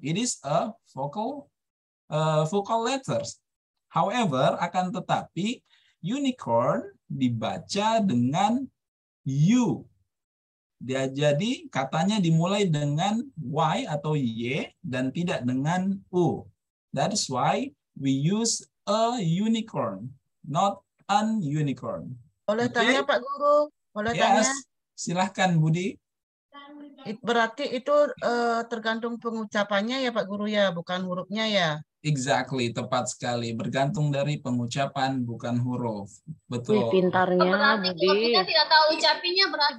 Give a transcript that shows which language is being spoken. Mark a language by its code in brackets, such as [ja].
[en] It is a vocal letters. [id] However, akan tetapi unicorn dibaca dengan you. Dia jadi katanya dimulai dengan y atau y dan tidak dengan u. [en] That's why we use a unicorn, not an unicorn. [id] Boleh okay? Tanya Pak Guru? Boleh [en] yes. [id] Tanya? Silahkan Budi. Berarti itu tergantung pengucapannya ya Pak Guru ya, bukan hurufnya ya? Exactly, tepat sekali. Bergantung dari pengucapan, bukan huruf. Betul. Wih, pintarnya, Budi. Kita tidak tahu ucapinya berarti.